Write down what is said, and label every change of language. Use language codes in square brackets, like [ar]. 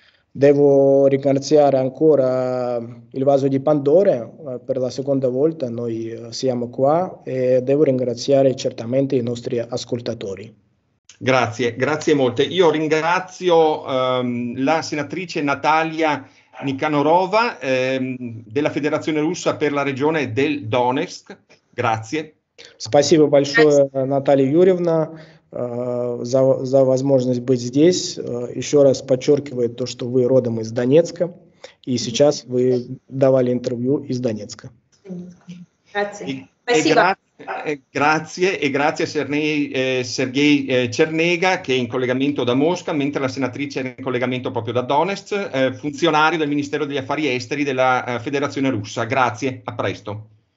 [it] Devo ringraziare ancora il vaso di Pandora per la seconda volta, noi siamo qua e devo ringraziare certamente i nostri ascoltatori. Grazie, grazie molte. Io ringrazio la senatrice Natalia Nikanorova della Federazione Russa per la regione del Donetsk. Grazie. [ru] Спасибо большое, Наталья Юрьевна, за возможность быть здесь. Еще раз подчеркиваю то, что вы родом из Донецка, и сейчас вы давали интервью из Донецка. [it] Grazie, e grazie a Sergei Cernega che è in collegamento da Mosca, mentre la senatrice è in collegamento proprio da Donetsk, funzionario del Ministero degli Affari Esteri della Federazione Russa. Grazie, a presto.